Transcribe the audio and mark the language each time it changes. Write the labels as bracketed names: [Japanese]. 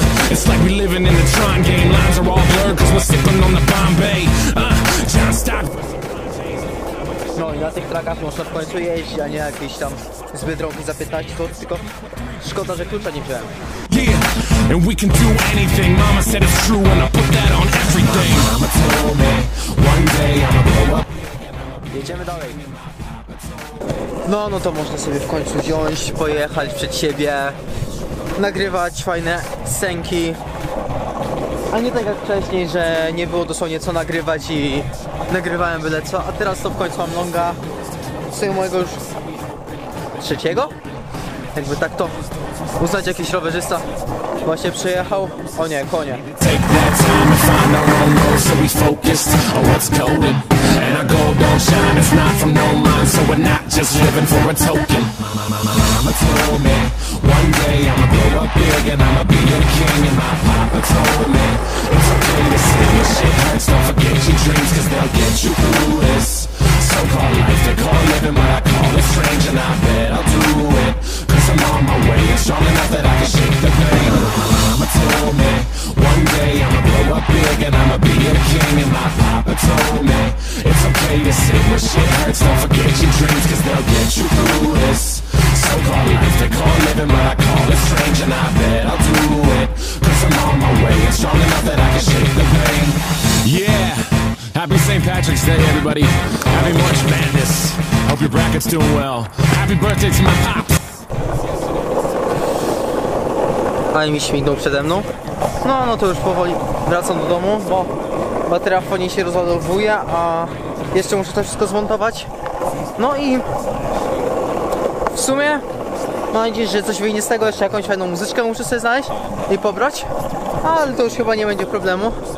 [English] It's like we living in the Tron game, lines are all blurred cause we're sipping on the Bombay. John Stock. [Polish] No i na tych trackach można w końcu jeździć, a nie jakieś tam zbyt drogi zapytać, tylko szkoda, że klucza nie wziąłem. [English] Yeah, and we can do anything, mama said it's true and I put that on everything. Mama told me, one day I'ma blow up. [Polish] Jedziemy dalej. No to można sobie w końcu wziąć, pojechać przed siebie, nagrywać fajne scenki. A nie tak jak wcześniej, że nie było dosłownie co nagrywać i nagrywałem byle co. A teraz to w końcu mam longa, w sumie mojego już trzeciego? Jakby tak to uznać, jakiś rowerzysta właśnie przyjechał. O nie, konie. [English] And our gold don't shine, it's not from no mine, so we're not just living for a token. Mama told me, one day I'ma grow up big and I'ma be a king. And my papa told me, it's okay to say your shit hurts. Don't forget your dreams, cause they'll get you through this. So-called life, they call living, but I call it strange. And I bet I'll do it, cause I'm on my way and strong enough that I can shake the pain. Mama told me, one day I'ma grow up big and I'ma be a king. And my papa told me, it's okay to say what shit hurts. Don't forget your dreams, cause they'll get you through this. So-called life, they call living, but I call it strange. And I bet I'll do it, cause I'm on my way and strong enough that I can shake the pain. Yeah, happy St. Patrick's Day, everybody. Happy March Madness. Hope your bracket's doing well. Happy birthday to my pops. [Polish] Ale mi śmignął przede mną. No to już powoli wracam do domu, bo bateria w fonie się rozładowuje, a jeszcze muszę to wszystko zmontować. No i w sumie mam nadzieję, że coś wyjdzie z tego, jeszcze jakąś fajną muzyczkę muszę sobie znaleźć i pobrać, ale to już chyba nie będzie problemu.